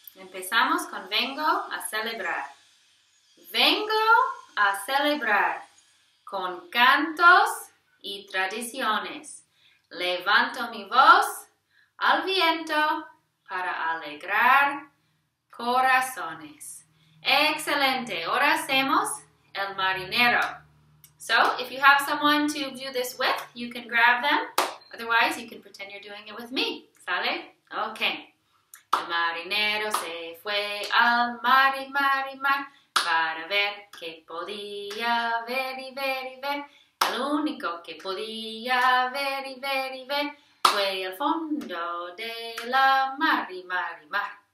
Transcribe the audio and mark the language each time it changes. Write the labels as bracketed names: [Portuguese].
[Spanish] Empezamos con vengo a celebrar. Vengo a celebrar con cantos y tradiciones. Levanto mi voz al viento para alegrar corazones. Excelente. Ahora hacemos el marinero. [English] So, if you have someone to do this with, you can grab them. Otherwise, you can pretend you're doing it with me. [Spanish] ¿Sale? Okay. El marinero se fue al mar y mar y mar para ver qué podía ver y ver y ver. Lo único que podía ver y ver y ver fue el fondo de la mar y mar y mar.